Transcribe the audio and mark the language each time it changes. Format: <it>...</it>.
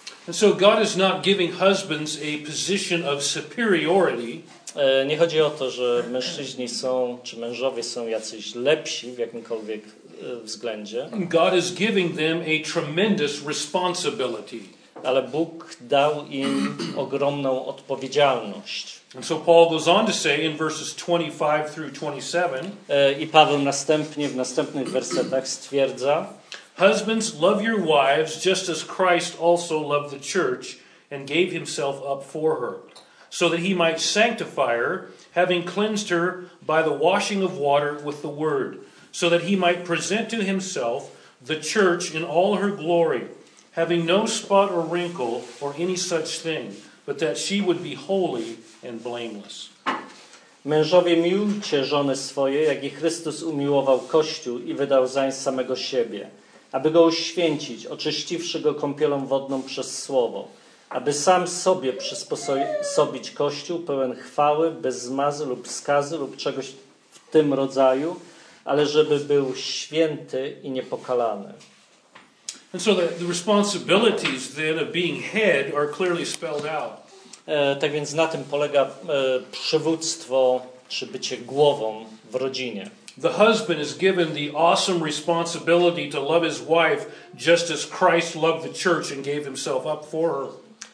<en>And so God is not giving husbands a position of superiority.</en> <pl>Nie chodzi o to, że mężczyźni są, czy mężowie są jacyś lepsi w jakimkolwiek względzie.</pl> <en>God is giving them a tremendous responsibility.</en> <pl>Ale Bóg dał im ogromną odpowiedzialność.</pl> <en>And so Paul goes on to say in verses 25 through 27.</en> <pl>I Paweł następnie w następnych wersetach stwierdza:</pl> <en>Husbands, love your wives just as Christ also loved the church and gave himself up for her, so that he might sanctify her, having cleansed her by the washing of water with the word, so that he might present to himself the church in all her glory, having no spot or wrinkle or any such thing, but that she would be holy and blameless.</en> <pl>Mężowie, miłujcie żony swoje, jak i Chrystus umiłował Kościół i wydał zań samego siebie, aby go uświęcić, oczyściwszy go kąpielą wodną przez słowo, aby sam sobie przysposobić Kościół pełen chwały, bez zmazy lub skazy lub czegoś w tym rodzaju, ale żeby był święty i niepokalany.</pl> <en>And so the responsibilities then of being head are clearly spelled out.</en> <pl>Tak więc na tym polega przywództwo czy bycie głową w rodzinie.</pl> <en>The husband is given the awesome responsibility to love his wife just as Christ loved the church and gave himself up for her.</en>